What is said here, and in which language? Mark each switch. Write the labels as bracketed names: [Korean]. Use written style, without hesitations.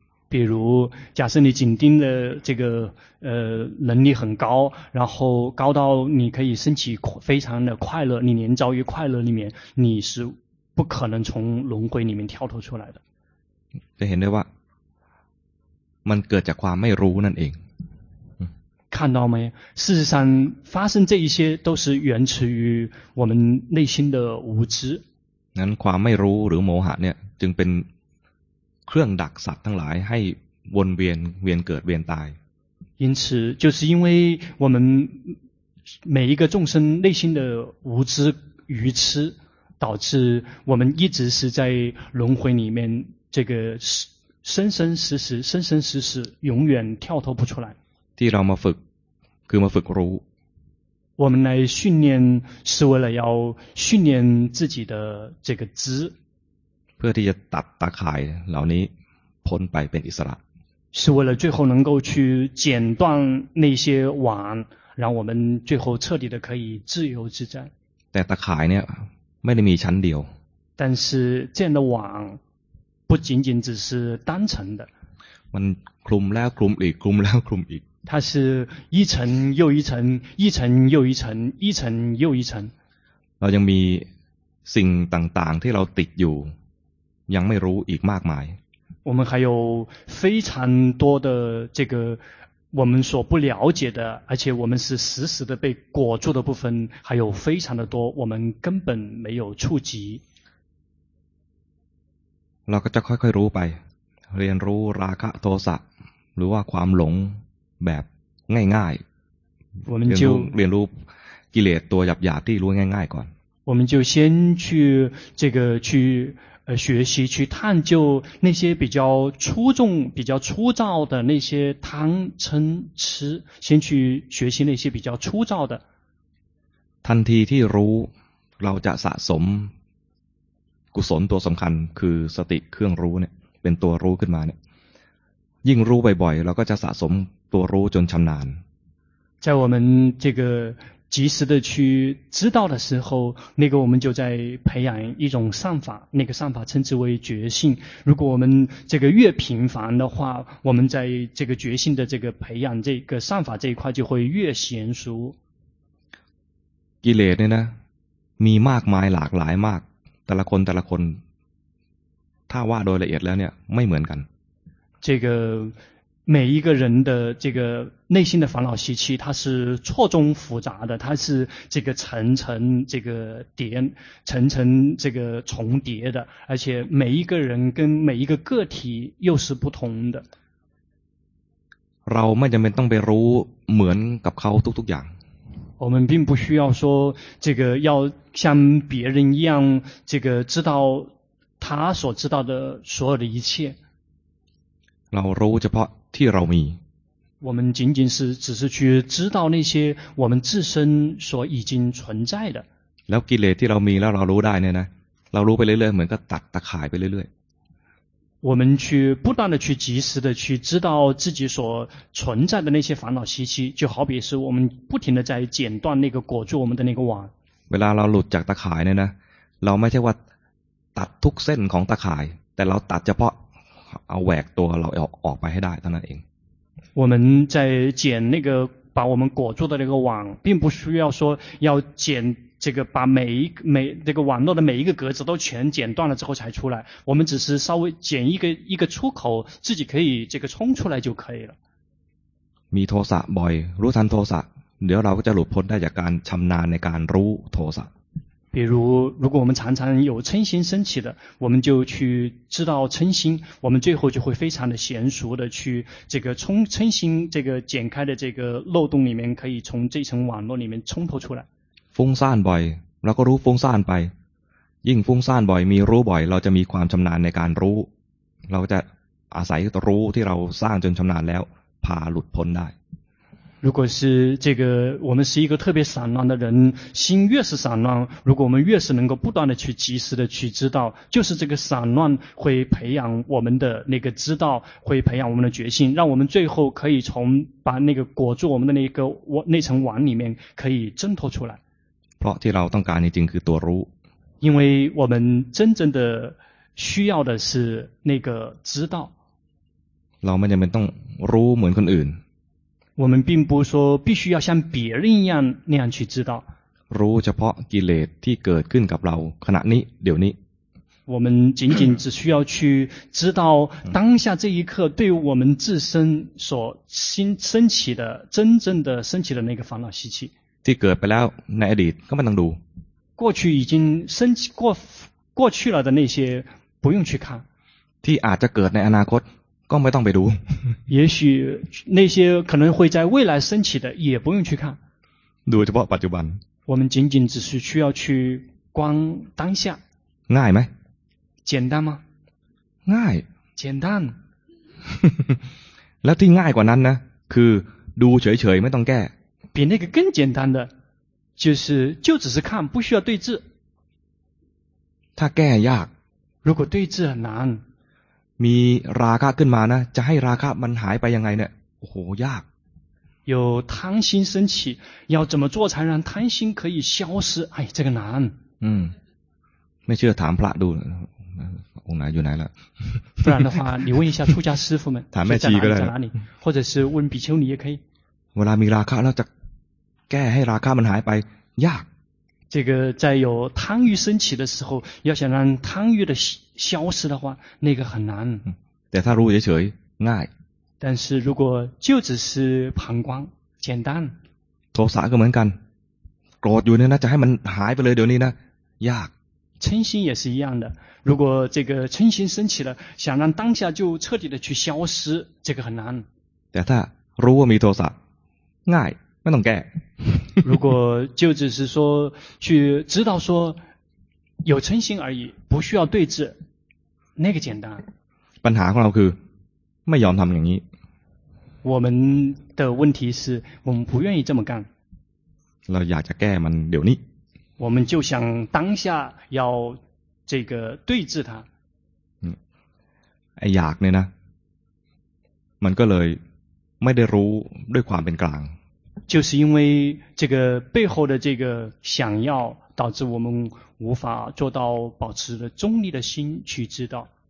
[Chinese] 比如假设你紧盯的这个能力很高然后高到你可以升起非常的快乐你连遭于快乐里面你是不可能从轮回里面跳脱出来的 [Thai] จะเห็นได้ว่ามันเกิดจากความไม่รู้นั่นเอง [Chinese] 看到没事实上发生这一些都是源自于我们内心的无知 [Thai] นั้นความไม่รู้หรือโมหะเนี่ยจึงเป็นเครื่องดักสัตว์ทั้งหลายให้วนเวียนเกิดเวียนตาย [Chinese] 因此就是因为我们每一个众生内心的无知愚痴导致我们一直是在轮回里面这个生生死死永远跳脱不出来 [Thai] ที่เรามาฝึกคือมาฝึกรู้ [Chinese] 我们来训练是为了要训练自己的这个知 [Thai] เพื่อที่จะตัดตาข่ายเหล่านี้พ้นไปเป็นอิสระ [Chinese] 是为了最后能够去剪断那些网让我们最后彻底的可以自由自在 [Thai] แต่ตาข่ายเนี่ยไม่ได้มีชั้นเดียว [Chinese] 但是这样的网不仅仅只是单层的 [Thai] มันคลุมแล้วคลุมอีกคลุมแล้วคลุมอีก [Chinese] 它是一层又一层一层又一层一层又一层 [Thai] เรายังมีสิ่งต่างๆที่เราติดอยู่ยังไม่รู้อีกมากมาย [Chinese] 我们还有非常多的这个我们所不了解的，而且我们是死死的被裹住的部分，还有非常的多，我们根本没有触及。 [Thai] เราก็จะค่อยๆรู้ไปเรียนรู้ราคะโทสะหรือว่าความหลงแบบง่าย [Chinese] ๆ我们就 [Thai] เรียนรู้กิเลสตัวหยาบๆที่รู้ง่ายๆก่อน [Chinese] 我们就先去这个去学习去探究那些比较粗重比较粗糙的那些贪嗔痴先去学习那些比较粗糙的 [Thai] ทันทีที่รู้เราจะสะสมกุศลตัวสำคัญคือสติเครื่องรู้เนี่ยเป็นตัวรู้ขึ้นมาเนี่ยยิ่งรู้บ่อยๆเราก็จะสะสมตัวรู้จนชำนาญ [Chinese] 在我们这个及时的去知道的时候，那个我们就在培养一种善法，那个善法称之为觉性。如果我们这个越频繁的话，我们在这个觉性的这个培养这个善法这一块就会越娴熟。 [Thai] กิเลสเนี่ยนะมีมากมายหลากหลายมากแต่ละคนแต่ละคนถ้าว่าโดยละเอียดแล้วเนี่ยไม่เหมือนกัน [Chinese] 这个每一个人的这个内心的烦恼习气，它是错综复杂的，它是这个层层这个叠，层层这个重叠的，而且每一个人跟每一个个体又是不同的。 [Thai] เราไม่จำเป็นต้องไปรู้เหมือนกับเขาทุกๆอย่าง。 [Chinese] 我们并不需要说这个要像别人一样，这个知道他所知道的所有的一切。 [Thai] เรารู้เฉพาะที่เรามี [Chinese] 我们仅仅是只是去知道那些我们自身所已经存在的 [Thai] แล้วกิเลสที่เรามีแล้วเรารู้ได้เนี่ยนะเรารู้ไปเรื่อยๆเหมือนกับตัดตะข่ายไปเรื่อย [Chinese] ๆ我们去不断的去及时的去知道自己所存在的那些烦恼习气就好比是我们不停的在剪断那个裹住我们的那个网 [Thai] เวลาเราหลุดจากตะข่ายเนี่ยนะเราไม่ใช่ว่าตัดทุกเส้นของตะข่ายแต่เราตัดเฉพาะเอาแหวกตัวเราออกไปให้ได้เท่านั้นเอง [Chinese] 我们在剪那个把我们裹住的那个网，并不需要说要剪这个把每这个网络的每一个格子都全剪断了之后才出来。我们只是稍微剪一个出口，自己可以这个冲出来就可以了。 [Thai] มีโทสะบ่อยรู้ทันโทสะเดี๋ยวเราก็จะหลุดพ้นได้จากการชำนาญในการรู้โทสะ [Chinese] 比如如果我们常常有嗔心升起的我们就去知道嗔心我们最后就会非常的娴熟的去这个从嗔心这个剪开的这个漏洞里面可以从这层网络里面冲脱出来 [Thai] ฟุ้งซ่านบ่อยเราก็รู้ฟุ้งซ่านไปยิ่งฟุ้งซ่านบ่อยมีรู้บ่อยเราจะมีความชำนาญในการรู้เราจะอาศัยรู้ที่เราสร้างจนชำนาญแล้วพาหลุดพ้นได้ [Chinese] 如果是这个我们是一个特别散乱的人心越是散乱如果我们越是能够不断的去及时的去知道就是这个散乱会培养我们的那个知道会培养我们的决心让我们最后可以从把那个裹住我们的那个那层网里面可以挣脱出来 [Thai] เพราะที่เราต้องการจริงๆคือตัวรู้ [Chinese] 因为我们真正的需要的是那个知道 [Thai] เราไม่จำเป็นต้องรู้เหมือนคนอื่น [Chinese] 我们并不说必须要像别人一样那样去知道 [Thai] รู้เฉพาะกิเลสที่เกิดขึ้นกับเราขณะนี้เดี๋ยวนี้ [Chinese] 我们仅仅只需要去知道当下这一刻对我们自身所升起的真正的升起的那个烦恼习气 [Thai] ที่เกิดไปแล้วในอดีตก็ไม่ต้องดู [Chinese] 过去已经升起过去了的那些不用去看 [Thai] ที่อาจจะเกิดในอนาคตก็ไม่ต้องไปดู [Chinese] 也许那些可能会在未来升起的也不用去看 [Thai] ดูเฉพาะปัจจุบัน [Chinese] 我们仅仅只是需要去观当下 [Thai] ง่ายไหม [Chinese] 简单吗 [Thai] ง่าย [Chinese] 简单 [Thai] แล้วที่ง่ายกว่านั้นนะคือดูเฉยๆไม่ต้องแก้ [Chinese] 比那个更简单的就只是看不需要对治 [Thai] ถ้าแก้ยาก [Chinese] 如果对治很难 [Thai] มีราคะขึ้นมานะจะให้ราคะมันหายไปยังไงเนี่ยโอ้โหยาก [Chinese] 有贪心升起要怎么做才让贪心可以消失哎这个难 [Thai] ไม่เชื่อถามพระดูองค์ไหนอยู่ไหนล่ะ [Chinese] 不然的话你问一下出家师父们 [Thai] ถามแม่ชีก็ได้ [Chinese] 或者是问比丘尼也可以 [Thai] เวลามีราคะแล้วจะแก้ให้ราคะมันหายไปยาก [Chinese] 这个在有贪欲升起的时候要想让贪欲的消失的话那个很难 [Thai] แต่ถ้ารู้เฉยๆง่าย [Chinese] 但是如果就只是旁观简单 [Thai] โทสะก็เหมือนกันโกรธอยู่เนี่ยนะจะให้มันหายไปเลยเดี๋ยวนี้นะยาก [Chinese] 嗔心也是一样的如果这个嗔心升起了想让当下就彻底的去消失这个很难 [Thai] แต่ถ้ารู้ว่ามีโทสะง่ายไม่ต้องแก้ [Chinese] 如果就只是说去知道说有嗔心而已不需要对治那个简单 [Thai] ปัญหาของเราคือไม่ยอมทำอย่างนี้ [Chinese] 我们的问题是我们不愿意这么干 [Thai] เราอยากจะแก้มันเดี๋ยวนี้ [Chinese] 我们就想当下要这个对治它 [Thai] อยากเนี่ยนะมันก็เลยไม่ได้รู้ด้วยความเป็นกลาง [Chinese] 就是因为这个背后的这个想要导致我们无法做到保持的中立的心去知道